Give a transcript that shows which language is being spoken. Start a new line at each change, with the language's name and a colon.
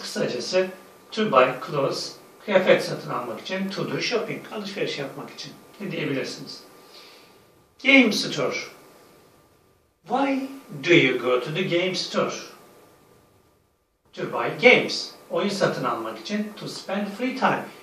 Turkish: Kısacası
English: to buy clothes,
Turkish: kıyafet satın almak için,
English: to do shopping,
Turkish: alışveriş yapmak için ne diyebilirsiniz?
English: Game store. Why do you go to the game store? To buy games.
Turkish: Oyun satın almak için,
English: to spend free time.